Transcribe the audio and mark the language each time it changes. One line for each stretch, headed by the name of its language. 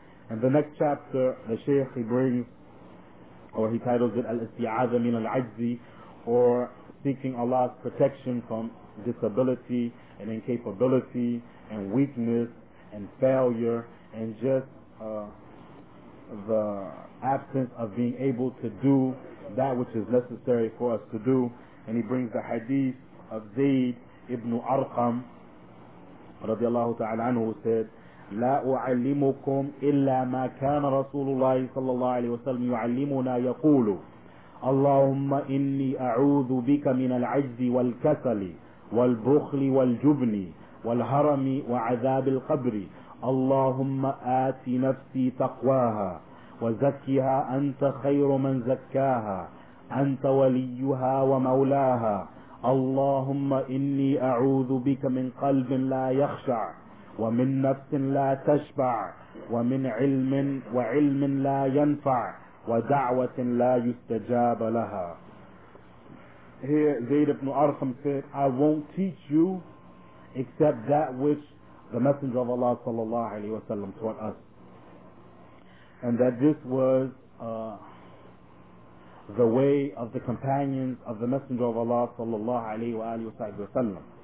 English: In the next chapter, the Shaykh, he brings, or he titles it Al-Isti'adha min al-Ajzi, or seeking Allah's protection from disability and incapability and weakness and failure and just the absence of being able to do that which is necessary for us to do. And he brings the hadith of Zayd ibn Arqam radiallahu ta'ala anhu, who said,
Arabic: لا أعلمكم إلا ما كان رسول الله صلى الله عليه وسلم يعلمنا يقول اللهم إني أعوذ بك من العجز والكسل والبخل والجبن والهرم وعذاب القبر. اللهم آت نفسي تقواها وزكها أنت خير من زكاها أنت وليها ومولاها. اللهم إني أعوذ بك من قلب لا يخشع ومن نفس لا تشبع ومن علم وعلم لا ينفع ودعوة لا يستجاب لها.
English: Here Zayd ibn Arqam said, I won't teach you except that which the Messenger of Allah sallallahu alayhi wa sallam taught us. And that this was the way of the companions of the Messenger of Allah sallallahu alayhi wa sallam.